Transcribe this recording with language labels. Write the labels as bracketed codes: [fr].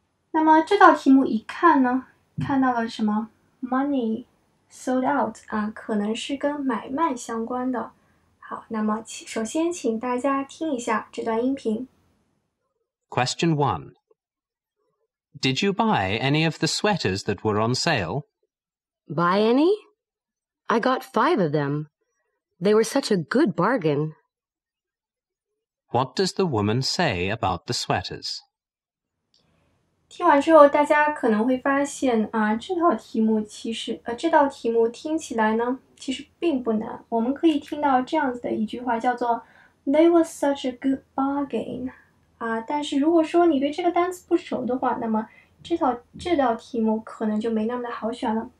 [zh] 那么这道题目一看呢，看到了什么？ Money sold out 啊，可能是跟买卖相关的。好，那么首先请大家听一下这段音频。 [en] Question 1. Did you buy any of the sweaters that were on sale? Buy any? I got 5 of them. They were such a good bargain. What does the woman say about the sweaters? [zh] 听完之后，大家可能会发现啊，这道题目其实，这道题目听起来呢，其实并不难。我们可以听到这样子的一句话，叫做 "They were such a good bargain"。啊，但是如果说你对这个单词不熟的话，那么这道题目可能就没那么的好选了。